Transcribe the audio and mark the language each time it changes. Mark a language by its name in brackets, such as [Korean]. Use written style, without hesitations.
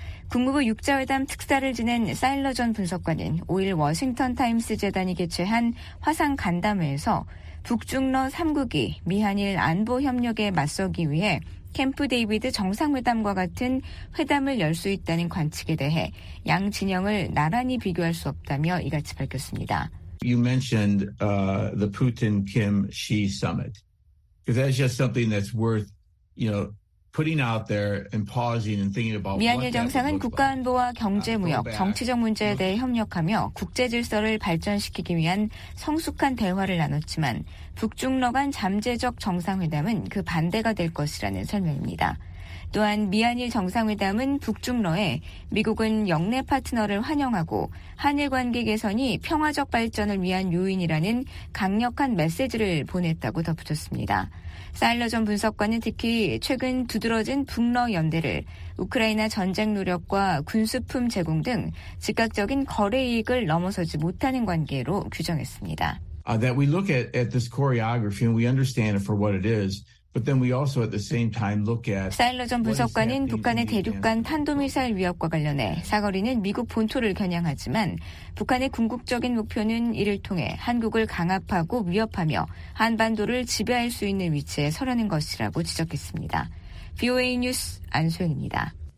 [Korean] 국무부 6자회담 특사를 지낸 사일러 전 분석관은 5일 워싱턴 타임스 재단이 개최한 화상 간담회에서 북중러 3국이 미한일 안보 협력에 맞서기 위해 캠프 데이비드 정상회담과 같은 회담을 열 수 있다는 관측에 대해 양 진영을 나란히 비교할 수 없다며 이같이 밝혔습니다. [English] You mentioned the Putin Kim Xi summit. That's just something that's worth, you know, putting out there and pausing and thinking about. [Korean] 미한일 정상은 국가 안보와 경제 무역, 정치적 문제에 대해 협력하며 국제 질서를 발전시키기 위한 성숙한 대화를 나눴지만 북중러 간 잠재적 정상회담은 그 반대가 될 것이라는 설명입니다. 또한 미한일 정상회담은 북중러에 미국은 역내 파트너를 환영하고 한일 관계 개선이 평화적 발전을 위한 요인이라는 강력한 메시지를 보냈다고 덧붙였습니다. 사일러 전 분석관은 특히 최근 두드러진 북러 연대를 우크라이나 전쟁 노력과 군수품 제공 등 즉각적인 거래 이익을 넘어서지 못하는 관계로 규정했습니다. [English] That we look at this choreography and we understand it for what it is. But then we also at the same time look at [Korean] 사일러 전 분석관은 북한의 대륙간 탄도미사일 위협과 관련해 사거리는 미국 본토를 겨냥하지만 북한의 궁극적인 목표는 이를 통해 한국을 강압하고 위협하며 한반도를 지배할 수 있는 위치에 서려는 것이라고 지적했습니다. BOA 뉴스 안소영입니다.